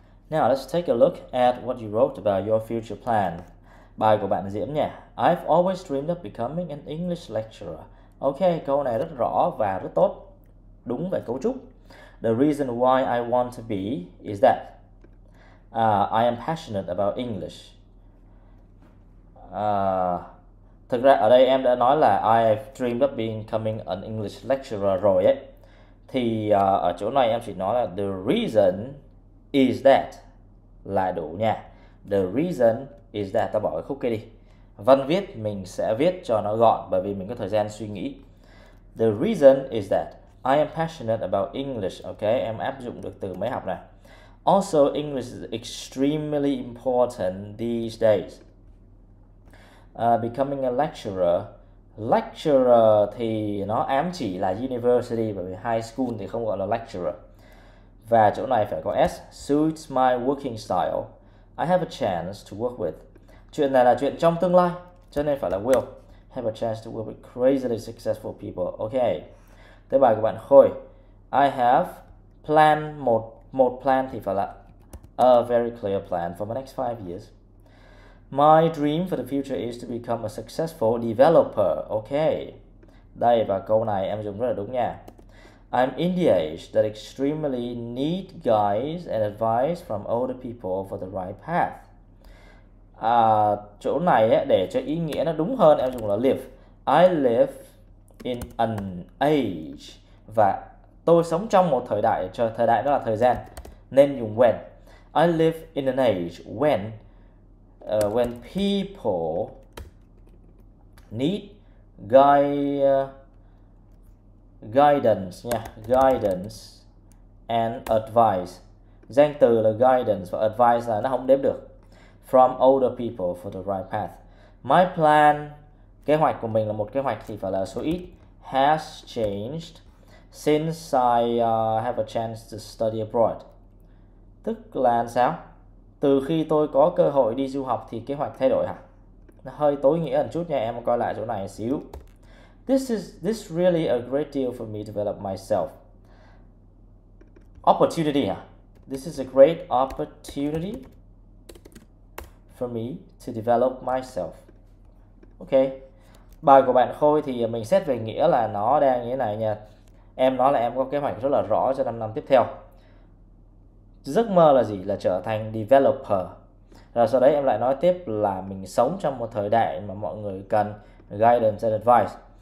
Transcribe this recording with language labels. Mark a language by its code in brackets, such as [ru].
[en] Now let's take a look at what you wrote about your future plan. [vi] Bài của bạn Diễm nhé. [en] I've always dreamed of becoming an English lecturer. [vi] Ok, câu này rất rõ và rất tốt. Đúng về cấu trúc. [en] The reason why I want to be is that I am passionate about English. [vi] Thực ra ở đây em đã nói là [en] I've dreamed of becoming an English lecturer [vi] rồi ấy. Thì ở chỗ này em chỉ nói là [en] the reason is that [vi] là đủ nha. [en] The reason is that, [vi] ta bỏ cái khúc kia đi. Văn viết mình sẽ viết cho nó gọn bởi vì mình có thời gian suy nghĩ. [en] The reason is that I am passionate about English. [vi] Ok, em áp dụng được từ mới học nè. [en] Also, English is extremely important these days. Becoming a lecturer. [vi] Lecturer thì nó ám chỉ là university, bởi vì high school thì không gọi là lecturer. Và chỗ này phải có S. [en] Suits my working style. I have a chance to work with. [vi] Chuyện này là chuyện trong tương lai, cho nên phải là will. [en] Have a chance to work with crazily successful people. [vi] Ok. Tới bài của bạn Khôi. [en] I have plan [vi] một. Một plan thì phải là [en] a very clear plan for the next 5 years. My dream for the future is to become a successful developer. Ok. [vi] Đây, và câu này em dùng rất là đúng nha. [en] I'm in the age that extremely need guidance and advice from older people for the right path. [vi] À, chỗ này ấy, để cho ý nghĩa nó đúng hơn em dùng là live. [en] I live in an age, [vi] và tôi sống trong một thời đại, cho thời đại đó là thời gian, nên dùng when. [en] I live in an age when when people need guidance nha, guidance and advice. [vi] Danh từ là guidance và advice là nó không đếm được. [en] From older people for the right path. [vi] My plan, kế hoạch của mình là một kế hoạch thì phải là số ít. [en] Has changed since I have a chance to study abroad. [vi] Tức là sao? Từ khi tôi có cơ hội đi du học thì kế hoạch thay đổi hả? Nó hơi tối nghĩa một chút nha, em coi lại chỗ này một xíu. [en] This is really a great deal for me to develop myself. Opportunity hả? This is a great opportunity for me to develop myself. Ok. [vi] Bài của bạn Khôi thì mình xét về nghĩa là nó đang như thế này nha. Em nói là em có kế hoạch rất là rõ cho 5 năm tiếp theo. Giấc mơ là gì? Là trở thành developer. Rồi sau đấy em lại nói tiếp là mình sống trong một thời đại mà mọi người cần guidance and advice.